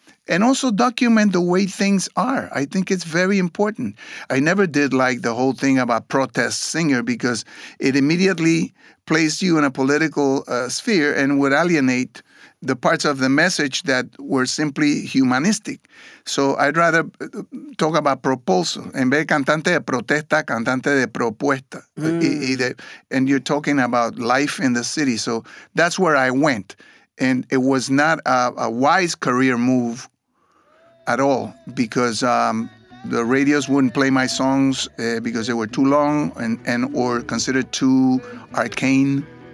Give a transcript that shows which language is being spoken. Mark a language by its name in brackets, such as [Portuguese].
[English] And also document the way things are. I think it's very important. I never did like the whole thing about protest singer, because it immediately placed you in a political sphere and would alienate the parts of the message that were simply humanistic. So I'd rather talk about proposal. [Spanish] En vez de cantante de protesta, cantante de propuesta. [English] And you're talking about life in the city. So that's where I went. And it was not a wise career move at all, because the radios wouldn't play my songs because they were too long and or considered too arcane.